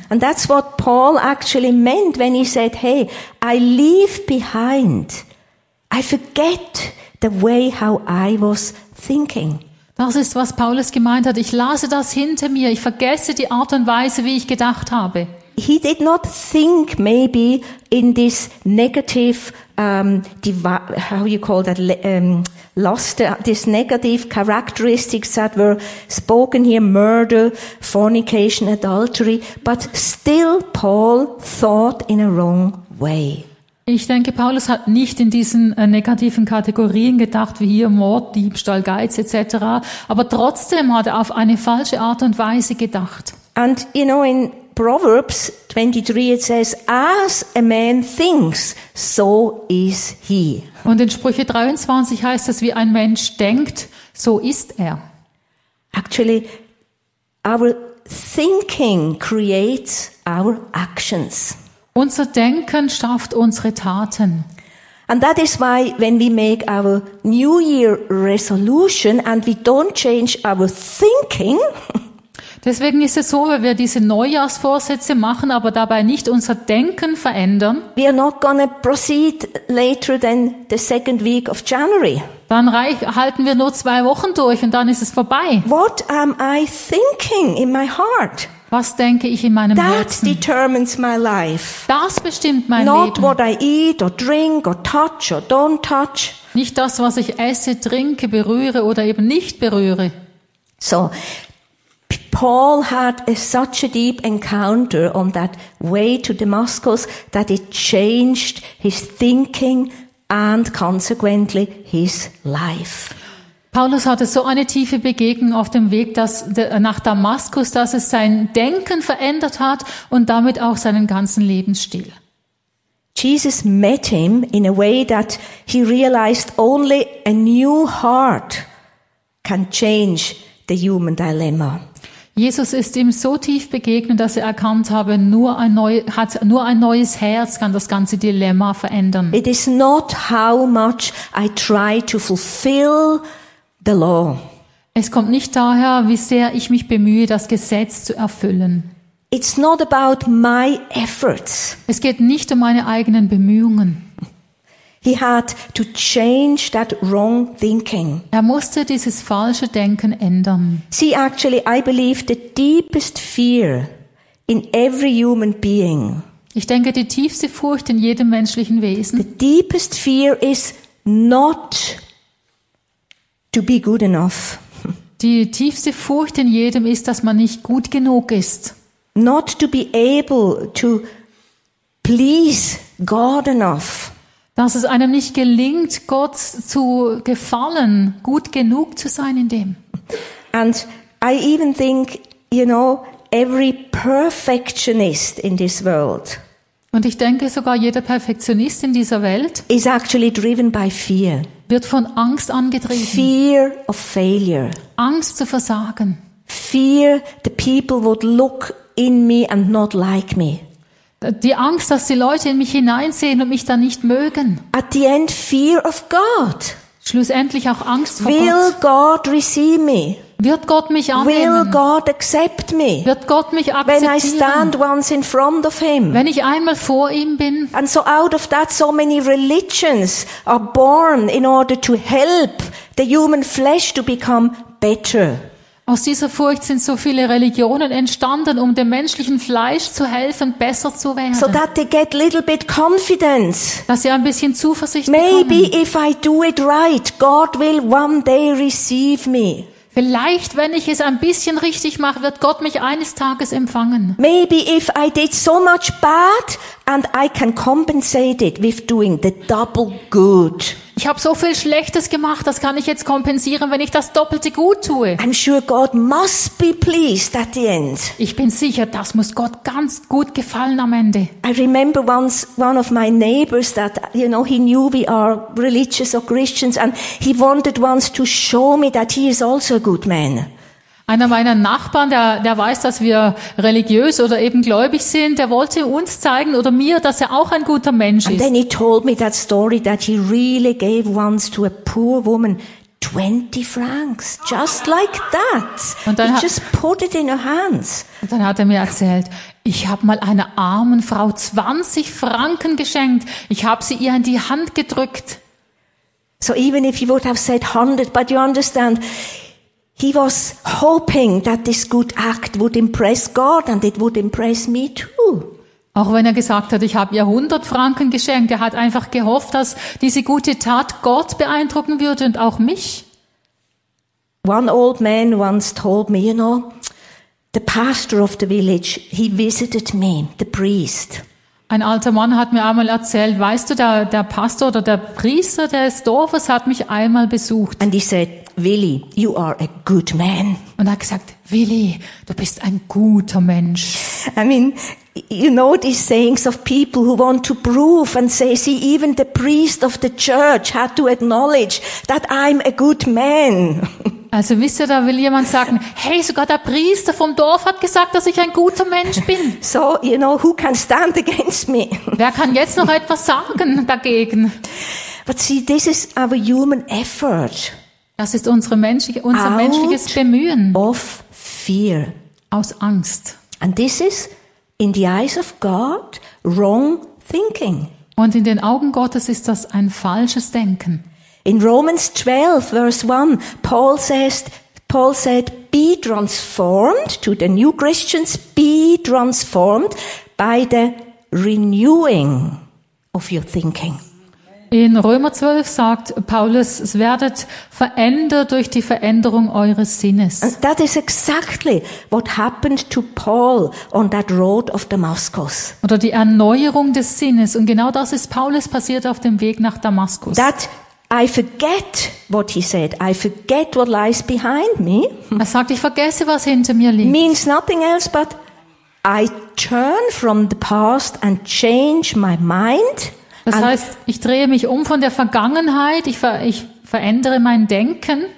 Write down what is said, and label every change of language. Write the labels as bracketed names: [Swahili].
[English] And that's what Paul actually meant when he said, "Hey, I leave behind, I forget the way how I was thinking." [German] Das ist, was Paulus gemeint hat. Ich lasse das hinter mir. Ich vergesse die Art und Weise, wie ich gedacht habe. [English] He did not think maybe in this negative, this negative characteristics that were spoken here, murder, fornication, adultery, but still Paul thought in a wrong way. [German] Ich denke, Paulus hat nicht in diesen negativen Kategorien gedacht, wie hier Mord, Diebstahl, Geiz etc., aber trotzdem hat er auf eine falsche Art und Weise gedacht. [English] And you know, in Proverbs 23 it says, "As a man thinks, so is he." [German] Und in Sprüche 23 heißt es, wie ein Mensch denkt, so ist er. [English] Actually, our thinking creates our actions. [German] Unser Denken schafft unsere Taten. [English] And that is why when we make our New Year resolution and we don't change our thinking. [German] Deswegen ist es so, wenn wir diese Neujahrsvorsätze machen, aber dabei nicht unser Denken verändern. [English] We are not gonna proceed later than the second week of January. [German] Dann halten wir nur zwei Wochen durch und dann ist es vorbei. [English] What am I thinking in my heart? [German] Was denke ich in meinem [English] That [German] Herzen? [English] That determines my life. [German] Das bestimmt mein [English] Not [German] Leben. [English] Not what I eat or drink or touch or don't touch. [German] Nicht das, was ich esse, trinke, berühre oder eben nicht berühre. [English] So, Paul had such a deep encounter on that way to Damascus that it changed his thinking and consequently his life. [German] Paulus hatte so eine tiefe Begegnung auf dem Weg nach Damaskus, dass es sein Denken verändert hat und damit auch seinen ganzen Lebensstil. [English] Jesus met him in a way that he realized only a new heart can change the human dilemma. [German] Jesus ist ihm so tief begegnet, dass er erkannt habe, nur ein neues Herz kann das ganze Dilemma verändern. [English] It is not how much I try to fulfill the law. [German] Es kommt nicht daher, wie sehr ich mich bemühe, das Gesetz zu erfüllen. [English] It's not about my efforts. [German] Es geht nicht um meine eigenen Bemühungen. [English] He had to change that wrong thinking. [German] Er musste dieses falsche Denken ändern. [English] See, actually, I believe the deepest fear in every human being. [German] Ich denke, die tiefste Furcht in jedem menschlichen Wesen. [English] The deepest fear is not to be good enough. [German] Die tiefste Furcht in jedem ist, dass man nicht gut genug ist. [English] Not to be able to please God enough. [German] Dass es einem nicht gelingt, Gott zu gefallen, gut genug zu sein in dem. [English] And I even think, you know, every perfectionist in this world. [German] Und ich denke sogar, jeder Perfektionist in dieser Welt [English] is actually driven by fear. [German] Wird von Angst angetrieben. [English] Fear of failure. [German] Angst zu versagen. [English] Fear the people would look in me and not like me. [German] Die Angst, dass die Leute in mich hineinsehen und mich dann nicht mögen. [English] At the end, fear of God. [German] Schlussendlich auch Angst vor [English] Will [German] Gott. [English] Will God receive me? [German] Wird Gott mich annehmen? [English] Will God accept me? [German] Wird Gott mich akzeptieren? [English] When I stand once in front of him. [German] Wenn ich einmal vor ihm bin. [English] And so out of that, so many religions are born in order to help the human flesh to become better. [German] Aus dieser Furcht sind so viele Religionen entstanden, um dem menschlichen Fleisch zu helfen, besser zu werden. [English] So that they get little bit confidence. [German] Dass sie ein bisschen Zuversicht [English] Maybe [German] bekommen. [English] Maybe if I do it right, God will one day receive me. [German] Vielleicht, wenn ich es ein bisschen richtig mache, wird Gott mich eines Tages empfangen. [English] Maybe if I did so much bad and I can compensate it with doing the double good. [German] Ich habe so viel Schlechtes gemacht, das kann ich jetzt kompensieren, wenn ich das Doppelte gut tue. [English] I'm sure God must be pleased at the end. [German] Ich bin sicher, das muss Gott ganz gut gefallen am Ende. [English] I remember once one of my neighbors that, you know, he knew we are religious or Christians and he wanted once to show me that he is also a good man. [German] Einer meiner Nachbarn, der weiß, dass wir religiös oder eben gläubig sind, der wollte uns zeigen oder mir, dass er auch ein guter Mensch ist. [English] And then he told me that story that he really gave once to a poor woman 20 francs, just like that. [German] Und dann [English] just put it in her hands. [German] Und dann hat er mir erzählt, ich habe mal einer armen Frau 20 Franken geschenkt. Ich habe sie ihr in die Hand gedrückt. [English] So even if you would have said 100, but you understand, he was hoping that this good act would impress God and it would impress me too. [German] Auch wenn er gesagt hat, ich habe ihr 100 Franken geschenkt, er hat einfach gehofft, dass diese gute Tat Gott beeindrucken würde und auch mich. [English] One old man once told me, you know, the pastor of the village, he visited me, the priest. [German] Ein alter Mann hat mir einmal erzählt, weißt du, der Pastor oder der Priester des Dorfes hat mich einmal besucht. [English] And he said, Willy, you are a good man. [German] Und er hat gesagt, Willy, du bist ein guter Mensch. [English] I mean, you know these sayings of people who want to prove and say, see, even the priest of the church had to acknowledge that I'm a good man. [German] Also wisst ihr, da will jemand sagen, hey, sogar der Priester vom Dorf hat gesagt, dass ich ein guter Mensch bin. [English] So, you know, who can stand against me? [German] Wer kann jetzt noch etwas sagen dagegen? [English] But see, this is our human effort. [German] Das ist unser menschliches Bemühen. [English] Of fear. [German] Aus Angst. [English] And this is, in the eyes of God, wrong thinking. [German] Und in den Augen Gottes ist das ein falsches Denken. [English] In Romans 12, verse 1, Paul said, be transformed to the new Christians, be transformed by the renewing of your thinking. [German] In Römer 12 sagt Paulus, es werdet verändert durch die Veränderung eures Sinnes. [English] And that is exactly what happened to Paul on that road of Damascus. [German] Oder die Erneuerung des Sinnes. Und genau das ist Paulus passiert auf dem Weg nach Damaskus. [English] That I forget what he said. I forget what lies behind me. [German] Er sagt, ich vergesse, was hinter mir liegt. [English] Means nothing else but I turn from the past and change my mind. [German] Das heißt, ich drehe mich um von der Vergangenheit, ich verändere mein Denken.